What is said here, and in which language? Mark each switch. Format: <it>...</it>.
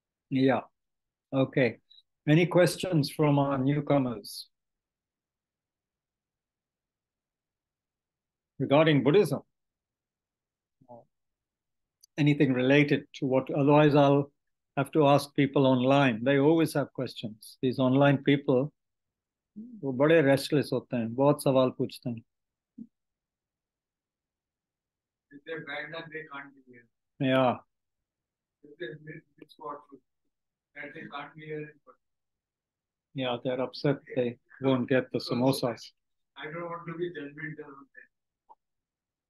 <en>Yeah. Okay. Any questions from our newcomers regarding Buddhism? Anything related to what? Otherwise, I'll have to ask people online. They always have questions. These online people.</en> <hi>वो बड़े restless होते हैं, बहुत सवाल पूछते हैं.</hi> <en>If they're bad, then they can't be here. Yeah. If they're misfortune, that they can't be here. Yeah, they're upset they won't get the samosas. I don't want to be judgmental on them.</en>